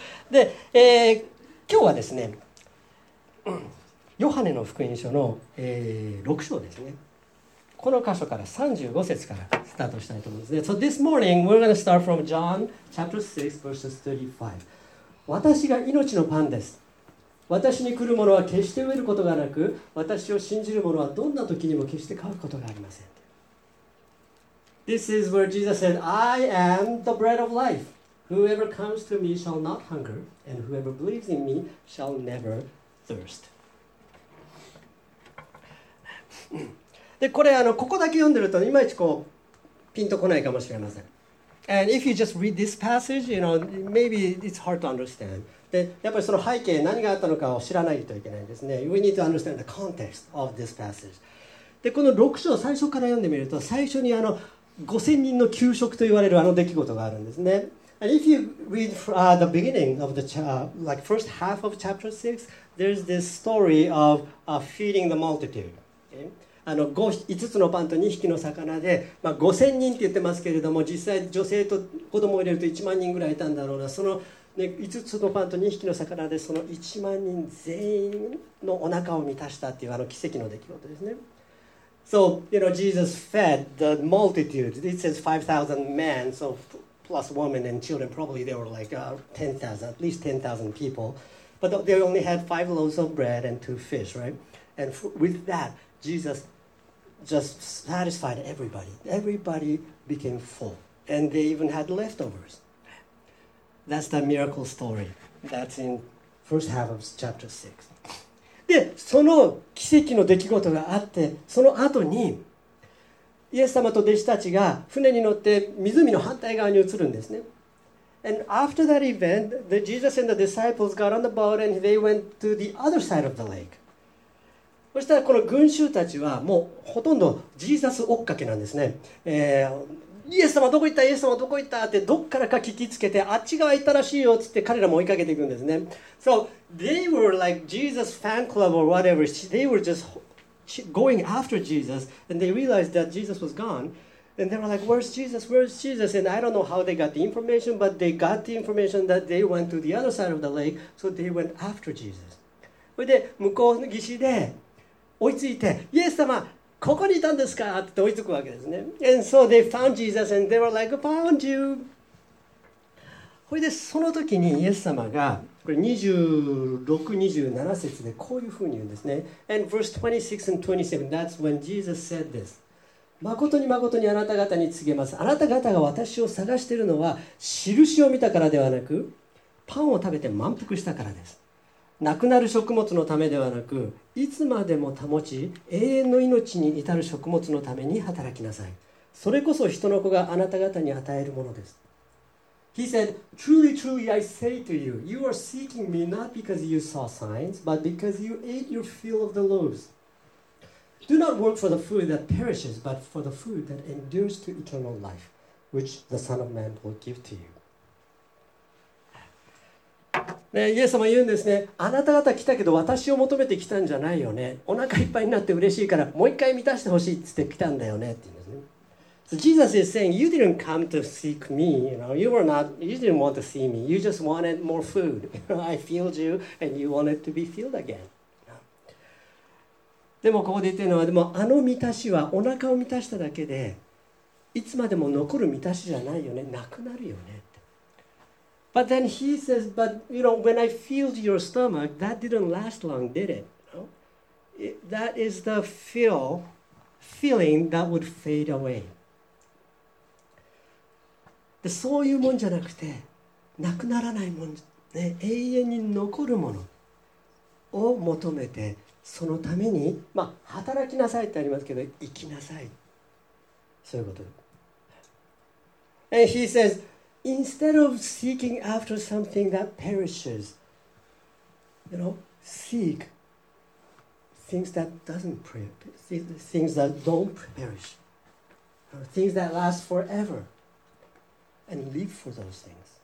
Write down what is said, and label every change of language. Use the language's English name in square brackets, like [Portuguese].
[Japanese] で、今日はですね、ヨハネの福音書の、6章ですね。この箇所から35節からスタートしたいと思うんですね。 [English] So this morning, we're going to start from John chapter 6, verses 35. [Japanese] 私が命のパンです。私に来る者は決して飢えることがなく、私を信じる者はどんな時にも決して渇くことがありません。 [English] This is where Jesus said, I am the bread of life. Whoever comes to me shall not hunger, and whoever believes in me shall never thirst. [Japanese] で、これ、ここだけ読んでると、いまいちこう、ピンとこないかもしれません。 [English] And if you just read this passage, you know, maybe it's hard to understand. [Japanese] で、やっぱりその背景、何があったのかを知らないといけないですね。 [English] We need to understand the context of this passage. [Japanese] で、この6章、最初から読んでみると、最初に5000人の給食と言われるあの出来事があるんですね。 [English] And if you read the beginning of the like first half of chapter 6, there's this story of feeding the multitude. Okay? [Japanese] あの 5つのパンと2匹の魚で、まあ、5000人って言ってますけれども、実際女性と子供を入れると1万人ぐらいいたんだろうな。その、ね、5つのパンと2匹の魚でその1万人全員のお腹を満たしたっていう、あの奇跡の出来事ですね。 [English] So, you know, Jesus fed the multitude. It says 5,000 men, so plus women and children, probably they were like 10,000, at least 10,000 people. But they only had 5 loaves of bread and 2 fish, right? And with that,Jesus just satisfied everybody. Everybody became full. And they even had leftovers. That's the miracle story. That's in first half of chapter 6. [Japanese] で、その奇跡の出来事があって、その後にイエス様と弟子たちが船に乗って湖の反対側に移るんですね。 [English] And after that event, the Jesus and the disciples got on the boat and they went to the other side of the lake. [Japanese] そしたらこの群衆たちはもうほとんどジーザス追っかけなんですね、イエス様どこ行った、イエス様どこ行ったってどっからか聞きつけて、あっち側行ったらしいよって言って彼らも追いかけていくんですね。 [English] So they were like Jesus fan club or whatever. They were just going after Jesus and they realized that Jesus was gone and they were like, where's Jesus, where's Jesus? And I don't know how they got the information, but they got the information that they went to the other side of the lake, so they went after Jesus. [Japanese] それで向こうの岸で追いついて、イエス様ここにいたんですかって追いつくわけですね。 [English] And so they found Jesus and they were like, found you. [Japanese] それでその時にイエス様がこれ26-27節でこういうふうに言うんですね。 [English] And verse 26 and 27, that's when Jesus said this. [Japanese] 誠に誠にあなた方に告げます、あなた方が私を探しているのは印を見たからではなく、パンを食べて満腹したからです。亡くなる食物のためではなく、いつまでも保ち永遠の命に至る食物のために働きなさい。それこそ人の子があなた方に与えるものです。 [English] He said, Truly, truly, I say to you, you are seeking me not because you saw signs, but because you ate your fill of the loaves. Do not work for the food that perishes, but for the food that endures to eternal life, which the Son of Man will give to you. [Japanese] ね、イエス様言うんですね。あなた方来たけど私を求めて来たんじゃないよね。お腹いっぱいになって嬉しいからもう一回満たしてほしいって言って来たんだよねって言うんですね。 [English] So Jesus is saying, you didn't come to seek me. You know, you were not, you didn't want to see me. You just wanted more food. I filled you and you wanted to be filled again. [Japanese] でもここで言ってるのは、でもあの満たしはお腹を満たしただけで、いつまでも残る満たしじゃないよね。なくなるよね。 [English] But then he says, but you know, when I filled your stomach, that didn't last long, did it? No? That is the feeling that would fade away. [Japanese] で、そういうもんじゃなくて、なくならないもん、ね、永遠に残るものを求めて、そのために、まあ、働きなさいってありますけど、生きなさい。そういうこと。 [English] And he says,Instead of seeking after something that perishes, you know, seek things that doesn't things that don't perish, things that last forever, and live for those things.